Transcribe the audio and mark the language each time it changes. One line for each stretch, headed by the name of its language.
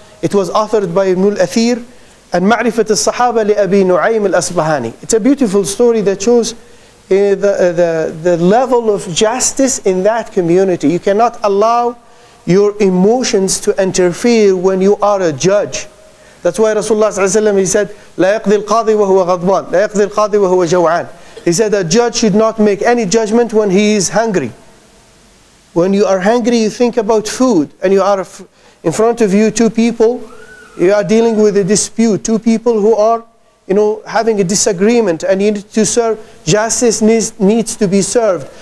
English: It was authored by Ibn al-Athir and Ma'rifat al-Sahaba li Abi Nu'aym al-Asbahani. It's a beautiful story that shows the level of justice in that community. You cannot allow your emotions to interfere when you are a judge. That's why Rasulullah sallallahu alaihi wasallam, he said,
Arabic: لا يقضي القاضي وهو غضبان, لا يقضي القاضي وهو جوعان.
English: He said a judge should not make any judgment when he is hungry. When you are hungry, you think about food, and you are in front of you two people, you are dealing with a dispute, two people who are, you know, having a disagreement, and you need to serve, justice needs to be served.